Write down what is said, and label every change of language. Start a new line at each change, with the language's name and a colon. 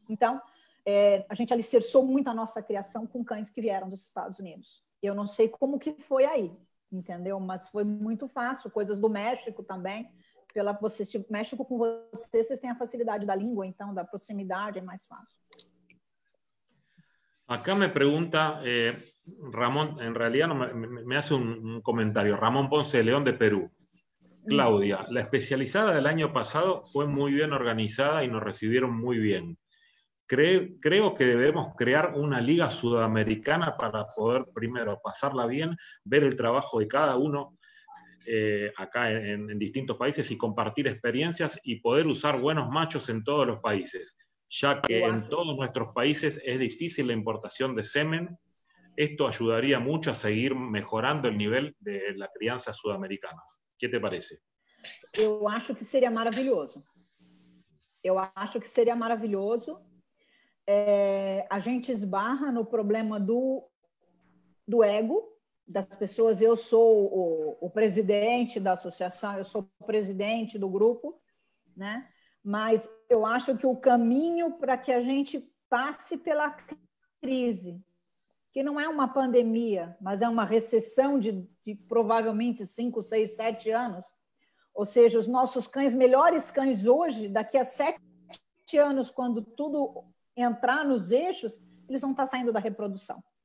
Portuguese: Então, a gente alicerçou muito a nossa criação com cães que vieram dos Estados Unidos. Eu não sei como que foi aí, entendeu? Mas foi muito fácil, coisas do México também. Se o México com vocês têm a facilidade da língua, então, da proximidade, é mais fácil.
Spanish: Acá me pregunta Ramón, en realidad me hace un comentario, Ramón Ponce de León de Perú. Claudia, la especializada del año pasado fue muy bien organizada y nos recibieron muy bien. Creo que debemos crear una liga sudamericana para poder primero pasarla bien, ver el trabajo de cada uno acá en distintos países y compartir experiencias y poder usar buenos machos en todos los países. Ya que en todos nuestros países es difícil la importación de semen, esto ayudaría mucho a seguir mejorando el nivel de la crianza sudamericana. ¿Qué te parece? Yo acho que sería maravilloso. Yo acho que sería maravilloso.
Portuguese: A gente esbarra no problema do ego das pessoas. Eu sou o presidente da associação, eu sou o presidente do grupo, né? Mas eu acho que o caminho para que a gente passe pela crise, que não é uma pandemia, mas é uma recessão de provavelmente 5, 6, 7 anos, ou seja, os nossos cães, melhores cães hoje, daqui a 7 anos, quando tudo entrar nos eixos, eles vão estar saindo da reprodução.